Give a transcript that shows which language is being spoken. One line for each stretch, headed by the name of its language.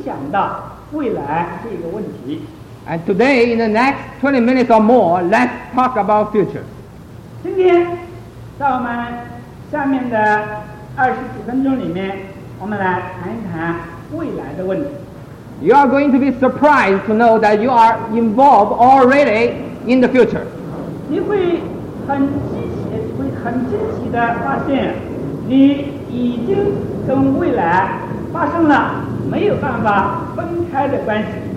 Chinese: 是如此的迅速，以至于我们不仅有难处来接受它的冲击力，而且我们也没有时间来思想到未来这个问题。
English: And today, in the next 20 minutes or more, let's talk about future.
Chinese: 今天在我们下面的二十几分钟里面，我们来谈一谈未来的问题。
English: You are going to be surprised to know that you are involved already in the future.
Chinese: 你会很惊喜地发现，你已经跟未来发生了没有办法分开的关系。